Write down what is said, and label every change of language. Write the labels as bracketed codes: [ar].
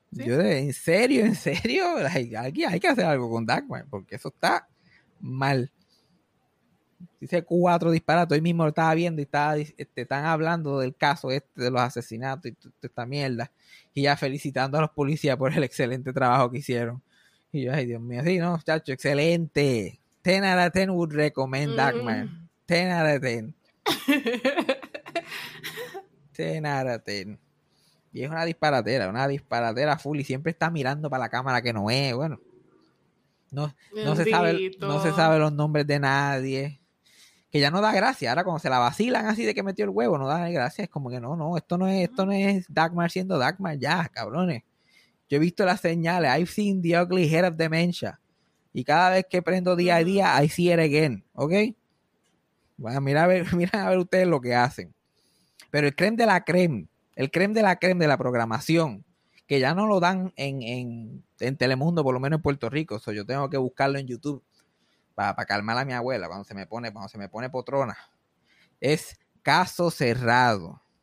[es] Yo de, en serio, hay que hacer algo con Dagmar, porque eso está mal. Dice cuatro disparates, hoy mismo lo estaba viendo y están hablando del caso este de los asesinatos y toda esta mierda, y ya felicitando a los policías por el excelente trabajo que hicieron. Y yo, ay, Dios mío, sí, no, chacho, excelente. [en] 10 out of 10 would recommend Dagmar. 10 out of 10. 10 out of 10. [es] Y es una disparatera full. Y siempre está mirando para la cámara que no es. Bueno, no se sabe los nombres de nadie. Que ya no da gracia. Ahora, cuando se la vacilan así de que metió el huevo, no da gracia. Es como que no, esto no es Dagmar siendo Dagmar. Ya, cabrones. Yo he visto las señales. [en] I've seen the ugly head of dementia. [es] Y cada vez que prendo día a día, [en] I see it again. [es] ¿Ok? Bueno, mira a ver ustedes lo que hacen. Pero el creme de la creme de la programación, que ya no lo dan en Telemundo, por lo menos en Puerto Rico, eso yo tengo que buscarlo en YouTube para calmar a mi abuela cuando se me pone potrona, es Caso Cerrado.